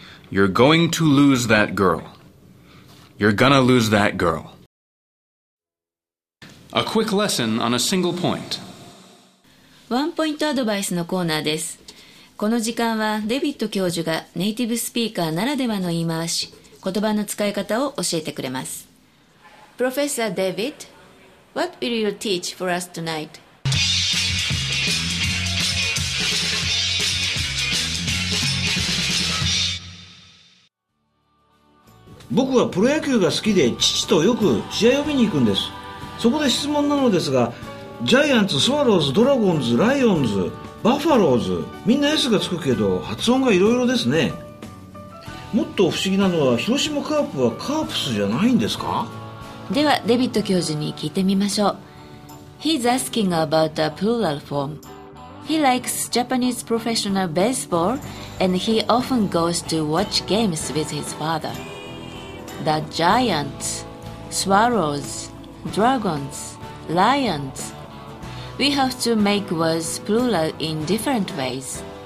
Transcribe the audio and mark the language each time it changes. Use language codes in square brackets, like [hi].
[en] You're going to lose that girl. You're gonna lose that girl. A quick lesson on a single point. [ja] ワンポイントアドバイスのコーナーです。この時間はデビッド教授がネイティブスピーカーならではの言い回し、言葉の使い方を教えてくれます。 [en] Professor David, what will you teach for us tonight? [ja] 僕はプロ野球が好きで父とよく試合を見に行くんです。そこで質問なのですが、ジャイアンツ、スワローズ、ドラゴンズ、ライオンズ、バファローズ、みんな S がつくけど発音がいろいろですね。もっと不思議なのは、広島カープはカープスじゃないんですか？ではデビッド教授に聞いてみましょう。 [en] He's asking about a plural form. He likes Japanese professional baseball and he often goes to watch games with his fatherThe Giants, Swallows, Dragons, Lions. We have to make words plural in different ways.